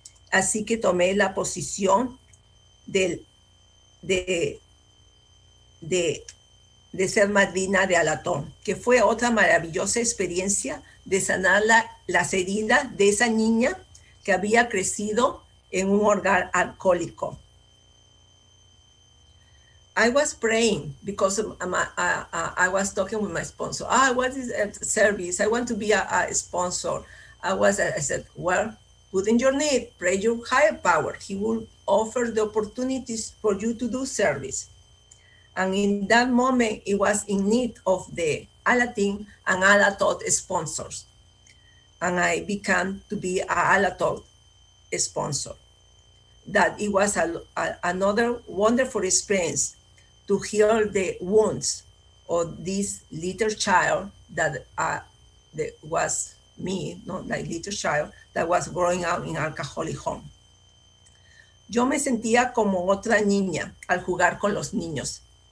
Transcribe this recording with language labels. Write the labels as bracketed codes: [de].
[es] Así que tomé la posición de ser madrina de Alatón, que fue otra maravillosa experiencia de sanar las heridas de esa niña que había crecido en un hogar alcohólico. [en] I was praying because I was talking with my sponsor. Ah, what is a service? I want to be a sponsor. I said, well, put in your need, pray your higher power. He will offer the opportunities for you to do service. And in that moment, it was in need of the Alatín and Alatot sponsors. And I began to be a Alatot sponsor. That it was another wonderful experience to heal the wounds of this little child that was me, not like little child, that was growing up in alcoholic home. [es] Yo me sentía como otra niña al jugar con los niños.